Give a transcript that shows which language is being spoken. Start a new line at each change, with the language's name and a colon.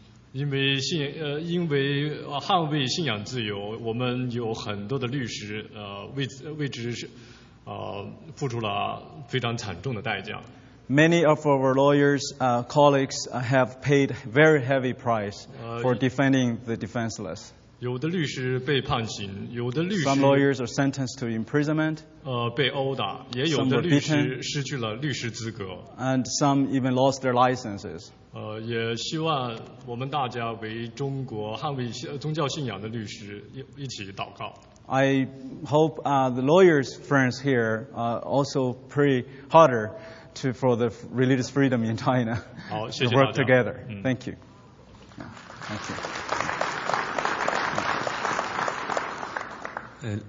Chinese: 因为捍卫信仰自由，我们有很多的律师为之付出了非常惨重的代价。
English: Many of our lawyers, colleagues have paid very heavy price for defending the defenseless.
Chinese: 有的律师被判刑，有的律师
English: Some lawyers are sentenced to imprisonment.
Chinese: 被殴打，也有的律师失去了律师资格。
English: And some even lost their licenses.
Chinese: 也希望我们大家为中国捍卫宗教信仰的律师一起祷告。
English: I hope the lawyers' friends here also pray harder for the religious freedom in China.
Chinese: 好，谢谢大家。
English: To work together. Thank you. Thank you.